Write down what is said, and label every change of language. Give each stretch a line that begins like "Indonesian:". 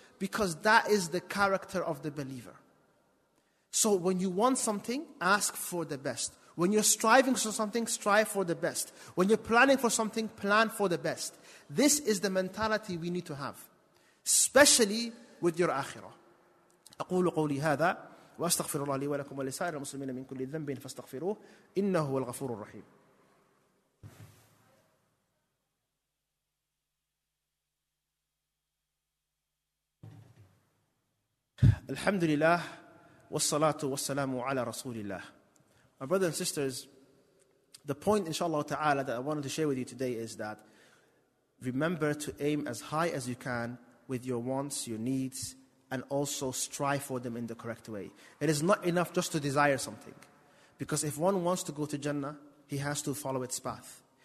English: Because that is the character of the believer. So when you want something, ask for the best. When you're striving for something, strive for the best. When you're planning for something, plan for the best. This is the mentality we need to have. Especially with your akhirah.
Arabic: أقول قولي هذا وأستغفر الله لي ولكم ولسائر المسلمين من كل ذنب فاستغفروه إنه هو الغفور الرحيم. الحمد لله والصلاة والسلام على رسول الله.
English: My brothers and sisters, the point inshallah ta'ala that I wanted to share with you today is that remember to aim as high as you can with your wants, your needs, and also strive for them in the correct way. It is not enough just to desire something. Because if one wants to go to Jannah, he has to follow its path.